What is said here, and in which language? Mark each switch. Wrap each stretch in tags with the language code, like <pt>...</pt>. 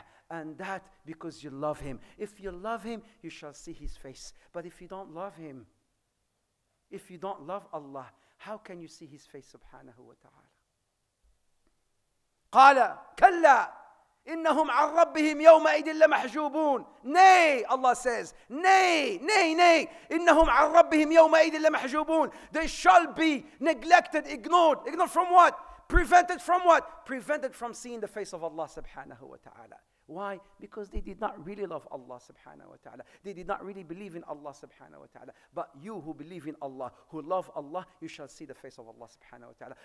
<en>And that because you love Him. If you love Him, you shall see His face. But if you don't love Him, if you don't love Allah, how can you see His face subhanahu wa ta'ala?</en> <ar>قَالَ كَلَّا إنهم عن ربهم يومئذ لمحجوبون.</ar> <en>Nay, Allah says, nay,</en> <ar>إنهم عن ربهم يومئذ لمحجوبون.</ar> <en>They shall be neglected, ignored. Ignored from what? Prevented from what? Prevented from seeing the face of Allah subhanahu wa ta'ala. Why? Because they did not really love Allah subhanahu wa ta'ala. They did not really believe in Allah subhanahu wa ta'ala. But you who believe in Allah, who love Allah, you shall see the face of Allah subhanahu wa ta'ala.</en>